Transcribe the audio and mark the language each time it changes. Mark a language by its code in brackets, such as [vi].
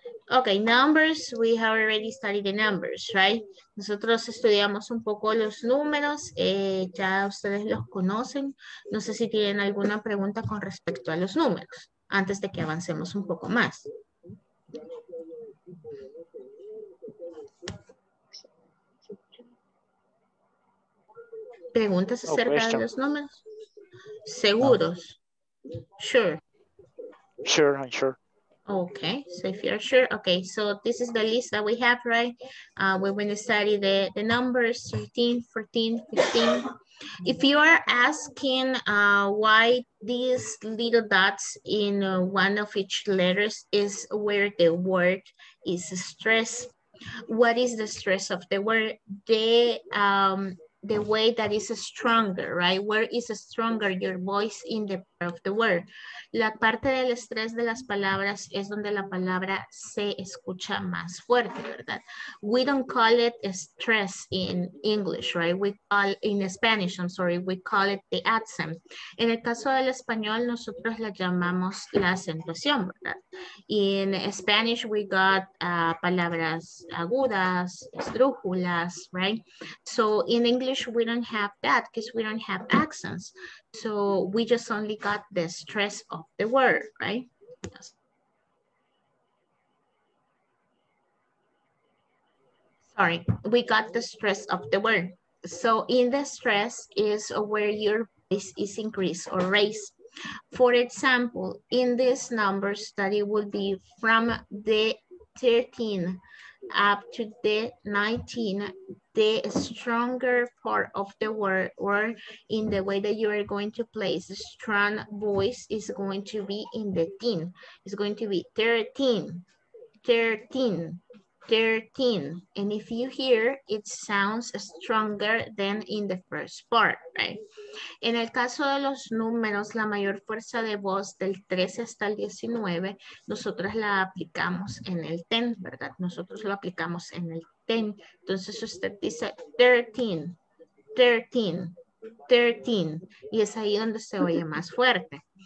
[en] Okay, numbers, we have already studied the numbers, right? [es] Nosotros estudiamos un poco los números, ya ustedes los conocen. No sé si tienen alguna pregunta con respecto a los números, antes de que avancemos un poco más. ¿Preguntas acerca de los números? ¿Seguros? [en] Sure. Sure, I'm sure. Okay, so if you're sure, okay, so this is the list that we have, right? We're going to study the numbers 13, 14, 15. If you are asking why these little dots in one of each letters is where the word is stressed, what is the stress of the word? The way that is stronger, right? Where is stronger your voice in the part of the word? [es] La parte del estrés de las palabras es donde la palabra se escucha más fuerte, ¿verdad? [en] We don't call it stress in English, right? We call in Spanish, I'm sorry, we call it the accent. [es] En el caso del español, nosotros la llamamos la acentuación, ¿verdad? [en] In Spanish, we got [es] palabras agudas, esdrújulas, [en] right? So in English, we don't have that because we don't have accents. So we just only got the stress of the word, right? Yes. Sorry, we got the stress of the word. So in the stress is where your voice is increased or raised. For example, in this number study will be from the 13 up to the 19, the stronger part of the word or in the way that you are going to place strong voice is going to be in the teen. It's going to be 13, 13, 13. And if you hear, it sounds stronger than in the first part, right? [es] En el caso de los números, la mayor fuerza de voz del 13 hasta el 19, nosotros la aplicamos en el 10, ¿verdad? Nosotros lo aplicamos en el 10. Entonces usted dice 13, 13, 13, y es ahí donde se oye más fuerte.